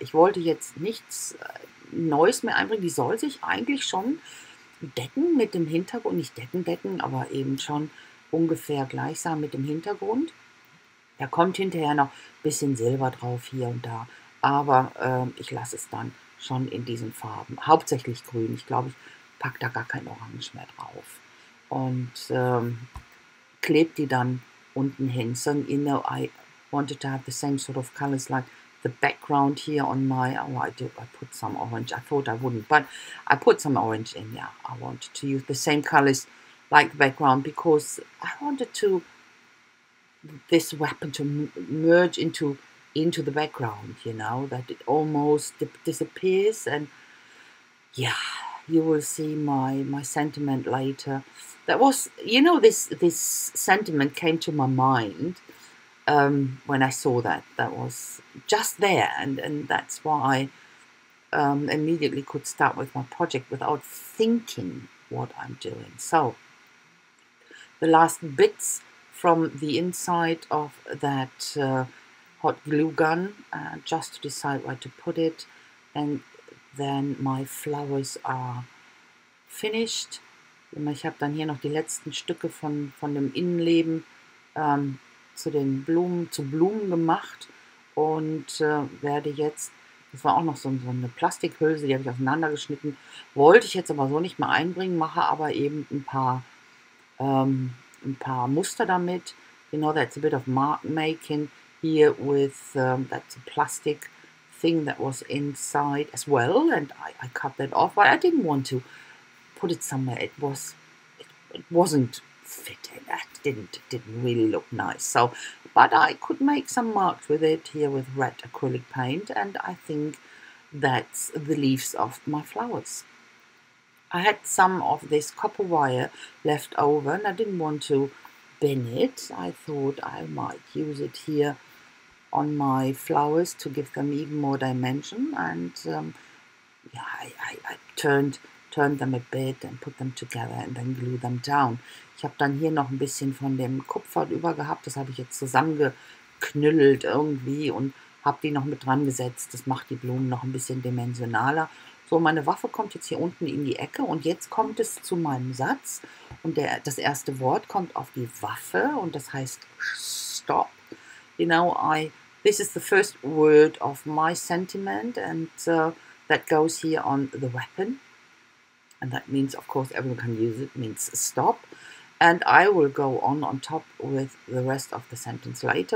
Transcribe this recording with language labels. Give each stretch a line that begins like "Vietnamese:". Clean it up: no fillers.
German: Ich wollte jetzt nichts Neues mehr einbringen. Die soll sich eigentlich schon decken mit dem Hintergrund, nicht decken, aber eben schon ungefähr gleichsam mit dem Hintergrund. Da kommt hinterher noch ein bisschen Silber drauf, hier und da. Aber ich lasse es dann schon in diesen Farben. Hauptsächlich grün. Ich glaube, ich packe da gar kein Orange mehr drauf. Und klebe die dann unten hin.
English: So, you know, I wanted to have the same sort of colors like the background here on my... Oh, I did. I put some orange. I thought I wouldn't. But I put some orange in, yeah. I wanted to use the same colors like the background, because I wanted to this weapon to merge into the background, you know, that it almost disappears. And yeah, you will see my sentiment later. That was, you know, this sentiment came to my mind when I saw that was just there, and that's why I immediately could start with my project without thinking what I'm doing. So the last bits from the inside of that hot glue gun, just to decide where to put it. And then my flowers are finished.
German: Ich habe dann hier noch die letzten Stücke von dem Innenleben zu Blumen gemacht und werde jetzt, das war auch noch so eine Plastikhülse, die habe ich auseinandergeschnitten, wollte ich jetzt aber so nicht mehr einbringen, mache aber eben ein paar Muster damit.
English: You know, that's a bit of mark making here with that's a plastic thing that was inside as well, and I cut that off, but I didn't want to put it somewhere. It wasn't fitting. That didn't really look nice. So, but I could make some marks with it here with red acrylic paint, and I think that's the leaves of my flowers. I had some of this copper wire left over and I didn't want to bin it. I thought I might use it here on my flowers to give them even more dimension. And I turned them a bit and put them together and then glue them down.
German: Ich habe dann hier noch ein bisschen von dem Kupfer drüber gehabt. Das habe ich jetzt zusammengeknüllt irgendwie und habe die noch mit dran gesetzt. Das macht die Blumen noch ein bisschen dimensionaler. So, meine Waffe kommt jetzt hier unten in die Ecke und jetzt kommt es zu meinem Satz. Und das erste Wort kommt auf die Waffe und das heißt stop.
English: You know, this is the first word of my sentiment and that goes here on the weapon. And that means, of course, everyone can use it, means stop. And I will go on top with the rest of the sentence later.